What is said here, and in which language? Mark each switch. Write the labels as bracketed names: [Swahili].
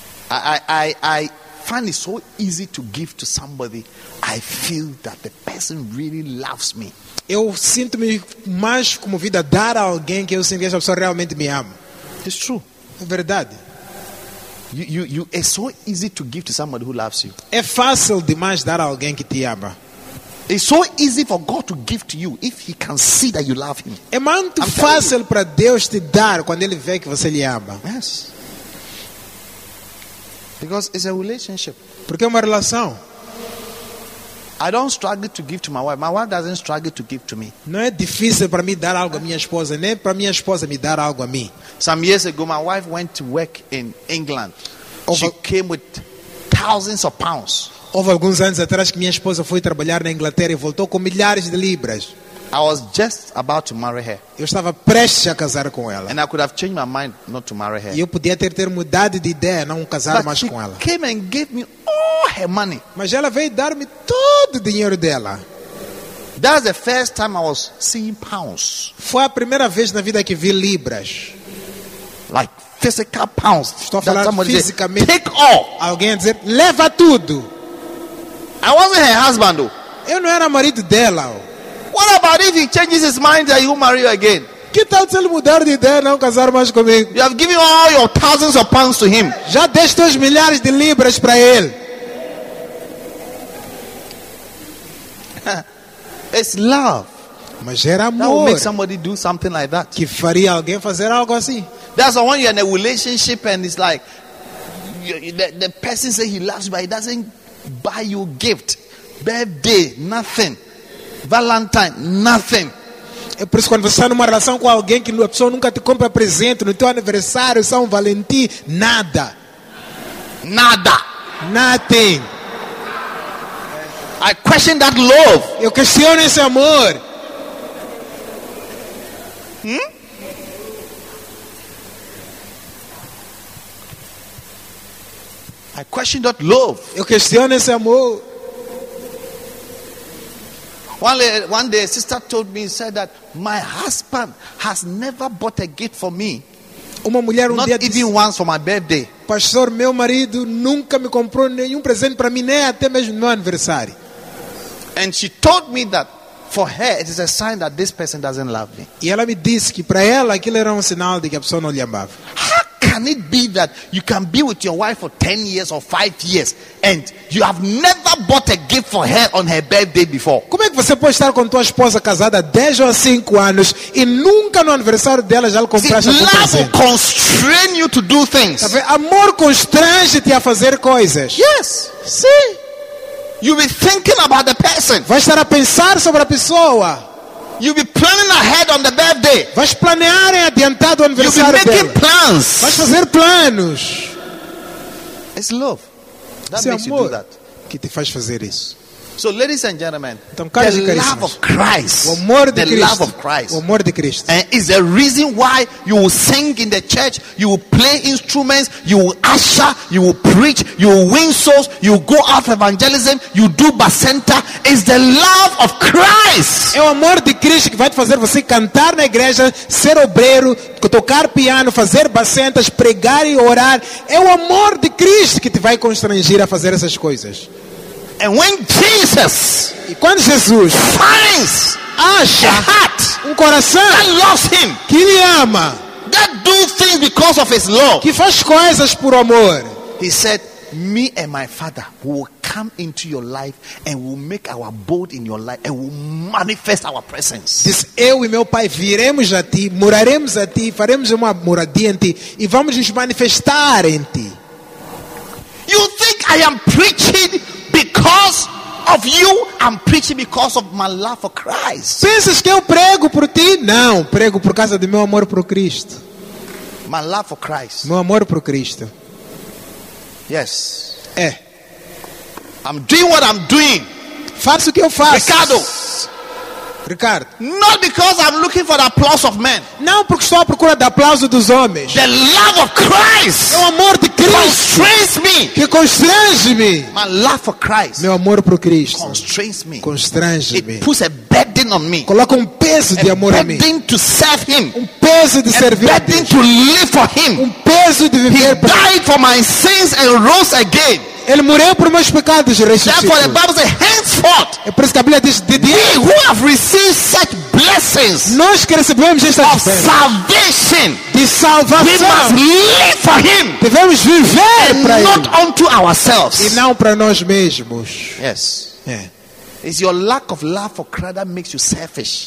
[English] I find it so easy to give to somebody. I feel that the person really loves me. [Portuguese] Eu sinto-me mais comovido a dar a alguém que eu sinto que essa pessoa realmente me ama. [English] It's true. [Portuguese] É verdade. [English] You it's so easy to give to somebody who loves you. [Portuguese] É fácil demais dar a alguém que te ama. [English] It's so easy for God to give to you if he can see that you love him. [Portuguese] É muito fácil para Deus te dar quando ele vê que você lhe ama. [English] Yes. Because it's a relationship. [Portuguese] Porque é uma relação. [English] I don't struggle to give to my wife. My wife doesn't struggle to give to me. [Portuguese] Não é difícil para mim dar algo à minha esposa, nem para minha esposa me dar algo a mim. [English] Some years ago, my wife went to work in England. She came with thousands of pounds. [Portuguese] Houve alguns anos atrás que minha esposa foi trabalhar na Inglaterra e voltou com milhares de libras. [English] I was just about to marry her. [Portuguese] Eu estava prestes a casar com ela. [English] And I could have changed my mind not to marry her. [Portuguese] E eu podia ter mudado de ideia, não casar [English] But [Portuguese] mais com ela. [English] She came and gave me all her money. [Portuguese] Mas ela veio dar-me todo o dinheiro dela. [English] That was the first time I was seeing pounds. [Portuguese] Foi a primeira vez na vida que vi libras. [English] Like physical pounds. [Portuguese] Estou a falar fisicamente. [English] Take all. [Portuguese] Alguém dizer, leva tudo. [English] I wasn't her husband, though. [Portuguese] Eu não era marido dela. [English] What about if he changes his mind that he'll marry you again? [Portuguese] Que tal se ele mudar de ideia, não casar mais comigo? [English] You have given all your thousands of pounds to him. [Portuguese] Já deixe os milhares de libras para ele. [English] It's love. [Portuguese] Mas era amor. [English] That will make somebody do something like that. [Portuguese] Que faria alguém fazer algo assim? [English] That's the one you're in a relationship and it's like the person says he loves you but he doesn't buy you a gift, birthday, nothing. Valentine, nothing. [Portuguese] É por isso quando você está numa relação com alguém que a pessoa nunca te compra presente no teu aniversário, São Valentim, nada. Nada. [English] Nothing. I question that love. [Portuguese] Eu questiono esse amor. [English] I question that love. [Portuguese] Eu questiono esse amor. [English] One day a sister told me, said that my husband has never bought a gift for me. [Portuguese] Uma mulher um [English] not [Portuguese] dia [English] even [Portuguese] disse, [English] once for my birthday. [Portuguese] Pastor, meu marido nunca me comprou nenhum presente para mim, nem até mesmo meu aniversário. [English] And she told me that for her it is a sign that this person doesn't love me. [Portuguese] E ela me disse que para ela aquilo era um sinal de que a pessoa não lhe amava. [English] How can it be that you can be with your wife for 10 years or 5 years and you have never bought a gift for her on her birthday before? [Portuguese] Como é que você pode estar com tua esposa casada 10 ou 5 anos e nunca no aniversário dela já lhe compraste um presente? [English] Love will constrain you to do things. [Portuguese] Amor constrange-te a fazer coisas. [English] Yes. [Portuguese] Sim. [English] You'll be thinking about the person. [Portuguese] Vai estar a pensar sobre a pessoa. [English] You'll be planning ahead on the birthday. [Portuguese] Vais planear adiantado o aniversário dela. [English] You'll be making plans. [Portuguese] Vais fazer planos. [English] It's love. That makes you do that. [Portuguese] Que te faz fazer isso. [English] So, ladies and gentlemen, [Portuguese] então, caros [English] the [Portuguese] e caríssimos, [English] love of Christ, [Portuguese] o amor de [English] the [Portuguese] Cristo, [English] love of Christ, [Portuguese] o amor de Cristo, [English] and is the reason why you will sing in the church, you will play instruments, you will usher, you will preach, you will win souls, you will go out for evangelism, you do bacenta. Is the love of Christ. [Portuguese] É o amor de Cristo que vai te fazer você cantar na igreja, ser obreiro, tocar piano, fazer bacentas, pregar e orar. É o amor de Cristo que te vai constranger a fazer essas coisas. [English] And when Jesus, [Portuguese] e quando Jesus [English] finds [Portuguese] acha [English] a heart, [Portuguese] um coração [English] that loves him, [Portuguese] que lhe ama, [English] that do things because of his love, [Portuguese] que faz coisas por amor, [English] he said, me and my father will come. come into your life and will make our abode in your life and will manifest our presence. [Portuguese] Diz, eu e meu Pai viremos a ti, moraremos a ti, faremos uma moradia em ti e vamos nos manifestar em ti. [English] You think I am preaching because of you? I'm preaching because of my love for Christ. [Portuguese] Pensas que eu prego por ti? Não, prego por causa do meu amor por Cristo. [English] My love for Christ. [Portuguese] Meu amor por Cristo. [English] Yes. [Portuguese] É. [English] I'm doing what I'm doing. [Portuguese] Faço o que eu faço. Ricardo. Ricardo. [English] Not because I'm looking for the applause of men. [Portuguese] Não porque estou à procura do aplauso dos homens. [English] The love of Christ. [Portuguese] Meu amor de Cristo. [English] Constrains me. [Portuguese] Que constrange me. [English] My love for Christ. [Portuguese] Meu amor por Cristo. [English] Constrains me. [Portuguese] Constrange me. [English] It puts a burden on me. [Portuguese] Coloca um peso de amor em mim. [English] A burden to serve Him. [Portuguese] Um peso de a servir a Deus. [English] To live for Him. [Portuguese] Um peso de viver para Ele. [English] He died for my sins and rose again. [Portuguese] Ele morreu por meus pecados e ressuscitou. É por isso que a Bíblia diz: [English] who have received such blessings, [Portuguese] nós que recebemos esta bênção de salvação, [English] we must live for Him, [Portuguese] devemos viver para Ele, [English] not unto ourselves, [Portuguese] e não para nós mesmos. [English] Yes. Yeah. It's your lack of love for Christ that makes you selfish.